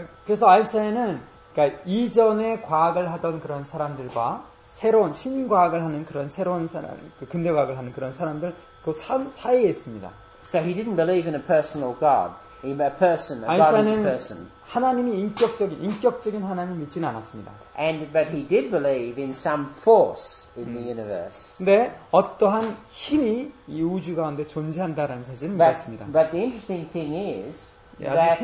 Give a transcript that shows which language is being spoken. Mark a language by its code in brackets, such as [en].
[ko] 그래서 아인슈타인은 이전에 과학을 하던 그런 사람들과 새로운 신과학을 하는 그런 새로운 사람, 근대 과학을 하는 그런 사람들 그 사이에 있습니다. [en] So he didn't believe in a personal God. A person, a God is a person. [ko] 하나님이 인격적인 하나님 믿진 않았습니다. [en] But he did believe in some force in the universe. [ko] 근데 어떠한 힘이 이 우주 가운데 존재한다라는 사실을 믿었습니다. [en] But the interesting thing is that